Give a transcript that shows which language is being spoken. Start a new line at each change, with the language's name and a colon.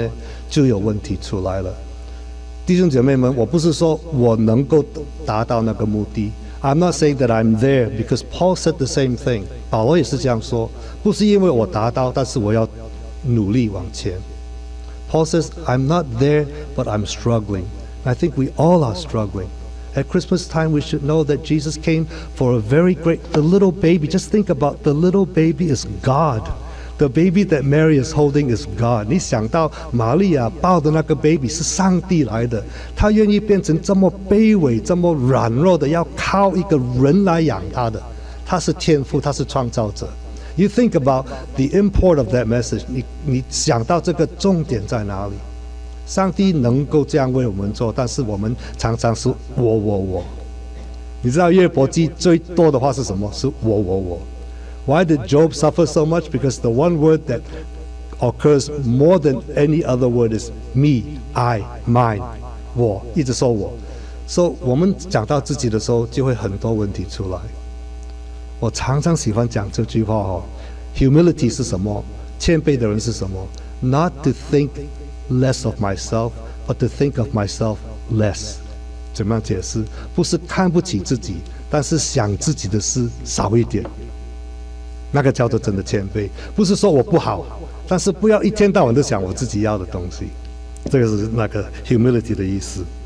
Chinese: 神不是不给我们选择，但是如果我们选择要自我的话呢，就有问题出来了。弟兄姐妹们，我不是说我能够达到那个目的，
English: I'm not saying that I'm there, because Paul said the same thing.
Chinese: 保罗也是这样说，不是因为我达到，但是我要努力往前。
English: Paul says, I'm not there, but I'm struggling. I think we all are struggling. At Christmas time, we should know that Jesus came for a very great, the little baby. Just think about, the little baby is God. The baby that Mary is holding is God.
Chinese: 你想到玛利亚抱的那个baby是上帝来的，她愿意变成这么卑微、这么软弱的，要靠一个人来养她的。他是天父，他是创造者。
English: You think about the import of that message.
Chinese: 你想到这个重点在哪里？上帝能够这样为我们做，但是我们常常是我我我。你知道约伯记最多的话是什么？是我我我。
English: Why did Job suffer so much? Because the one word that occurs more than any other word is me, I, mine,
Chinese: 我，一直说我。所以我们讲到自己的时候，就会很多问题出来。我常常喜欢讲这句话哦 ，humility 是什么？谦卑的人是什么 ？
English: Not to think less of myself, but to think of myself less。
Chinese: 怎么样解释？不是看不起自己，但是想自己的事少一点。那个叫做真的谦卑，不是说我不好，但是不要一天到晚都想我自己要的东西。这个是那个 humility 的意思。